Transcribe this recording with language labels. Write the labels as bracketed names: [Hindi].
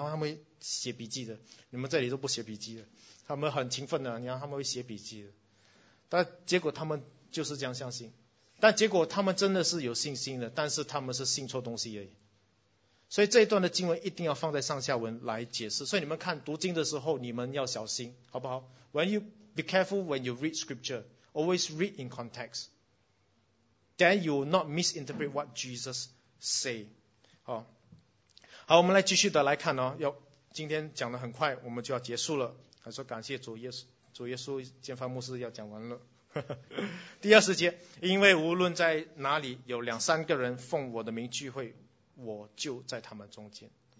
[Chinese] 然后他们写笔记的，你们这里都不写笔记的，他们很勤奋的，你看他们会写笔记的，但结果他们就是这样相信，但结果他们真的是有信心的，但是他们是信错东西而已。所以这一段的经文一定要放在上下文来解释，所以你们看读经的时候你们要小心，好不好？ [English] When you be careful when you read scripture, always read in context, then you will not misinterpret what Jesus say. [Chinese] 好，我们来继续的来看哦，要今天讲的很快，我们就要结束了，还说感谢主耶稣建方牧师要讲完了。第二十节，因为无论在哪里有两三个人奉我的名聚会，我就在他们中间。